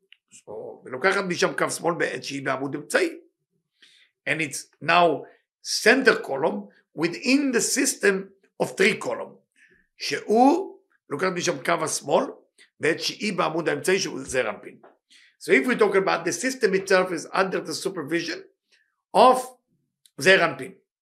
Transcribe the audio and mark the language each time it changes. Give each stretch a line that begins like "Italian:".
Hebrew: So, ולוקחת משם קו שמאל בעת שהיא בעמוד אמצעי.
English: And it's now center column within the system of three column.
Hebrew: שהוא לוקחת משם קו השמאל בעת שהיא בעמוד האמצעי שהוא זה רמפין.
English: So, if we talk about the system itself is under the supervision of זה רמפין.